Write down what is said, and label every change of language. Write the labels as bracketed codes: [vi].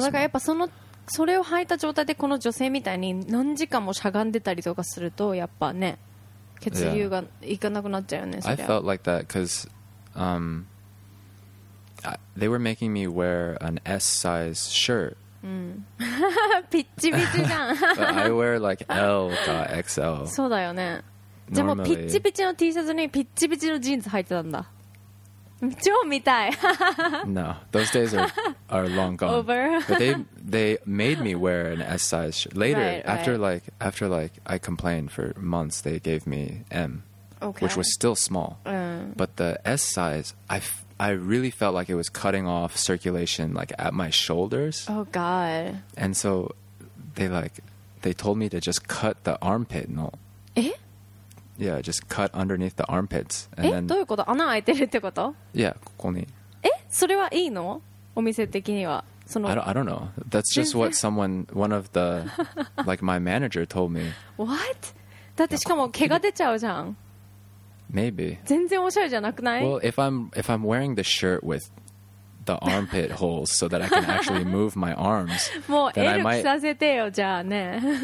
[ja] だからやっぱそれを履いた状態でこの女性みたいに何時間もしゃがんでたりとかすると、やっぱね、血流がいかなくなっちゃうよね。 [en] I felt like that because they were making me wear an S size shirt. [ja] ピッチピチじゃん。 [en] I wear like L か XL。 [ja] そうだよね。じゃあもうピッチピチの T シャツにピッチピチのジーンズ履いてたんだ。超見たい。 [en] No, those days are long gone. Over. But they made me wear an S size shirt. Later, right. after I complained for months, they gave me M, okay. which was still small. But the S size, I really felt like it was cutting off circulation like at my shoulders. Oh god. And so they told me to just cut the armpit. No. Eh? Yeah, just cut underneath the armpits. And then, [ja] どういうこと？穴開いてるってこと？ [en] Yeah, [ja] ここに。え？それはいいの？お店的には。その [en] I don't know. That's just what someone, one of the, like my manager told me. What? [ja] だってしかも毛が出ちゃうじゃん。 [en] Maybe. [ja] 全然おしゃれじゃなくない？ [en] Well, if I'm wearing the shirt with the armpit holes so that I can actually move my arms, [ja] もう L 着させてよじゃあね。